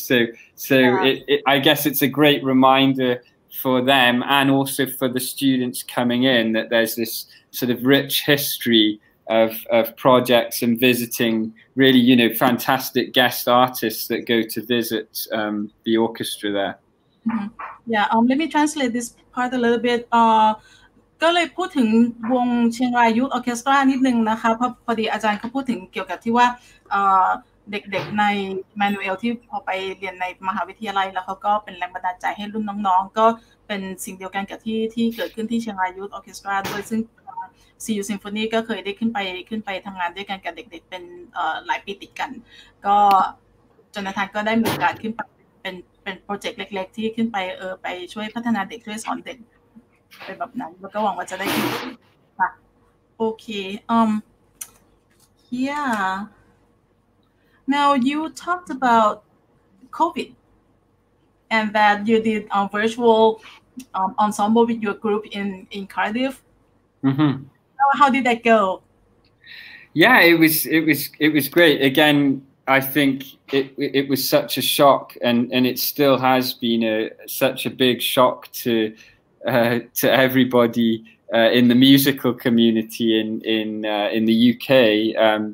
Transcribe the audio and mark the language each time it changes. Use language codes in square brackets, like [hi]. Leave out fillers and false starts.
[en] So I guess it's a great reminder for them and also for the students coming in that there's this sort of rich history of projects and visiting really, you know, fantastic guest artists that go to visit the orchestra there. Mm-hmm. Yeah, let me translate this part a little bit. [th] ก็เลยพูดถึงวงเชียงรายยูทออร์เคสตรานิดนึงนะคะเพราะพอดีอาจารย์เขาพูดถึงเกี่ยวกับที่ว่าเด็กๆในมานูเอลที่พอไปเรียนในมหาวิทยาลัยแล้วเขาก็เป็นแรงบันดาลใจให้รุ่นน้องๆก็เป็นสิ่งเดียวกันกับที่เกิดขึ้นที่เชียงรายยูทออร์เคสตราด้วยซึ่งซีอูซิมโฟนีก็เคยได้ขึ้นไปทำงานด้วยกันกับเด็กๆเป็นหลายปีติดกันก็ โจนาธานก็ได้มีการขึ้นไปเป็นโปรเจกต์เล็กๆที่ขึ้นไปไปช่วยพัฒนาเด็กช่วยสอนเด็กเป็นแบบนั้นแล้วก็หวังว่าจะได้ขึ้นค่ะโอเค [en] yeah now you talked about COVID and that you did a virtual ensemble with your group in Cardiff How did that go? Yeah, it was great. Again, I think it was such a shock, and it still has been such a big shock to everybody in the musical community in the UK.